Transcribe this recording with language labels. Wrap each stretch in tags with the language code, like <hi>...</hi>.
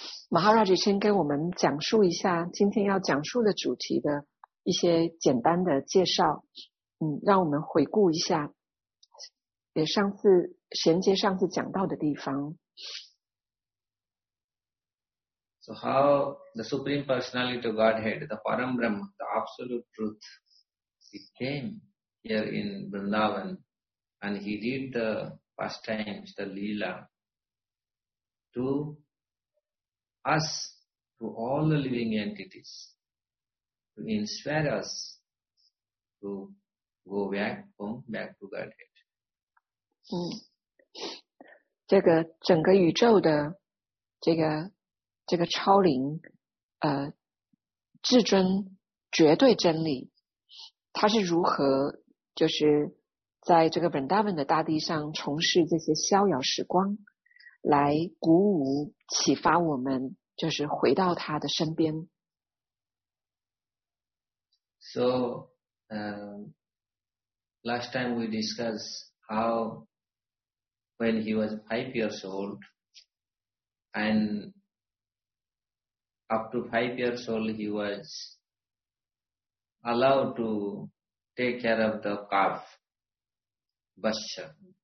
<zh>Maharaj 先跟我们讲述一下今天要讲述的主题的一些简单的介绍让我们回顾一下也上次衔接上次讲到的地方</zh> <en>So how the Supreme Personality of Godhead the Param Brahma the Absolute Truth he came here in Vrindavan and he did the pastimes the Leela toUs, to all the living entities, to inspire us to go back home, back to Godhead.</en> <zh>这个整个宇宙的这个超灵至尊绝对真理它是如何就是在这个 Vrindavan 的大地上从事这些逍遥时光来鼓舞启发我们就是回到他的身边。</zh> <en>So, last time we discussed how when he was 5 years old and up to 5 years old he was allowed to take care of the calf, Vatsya.</en>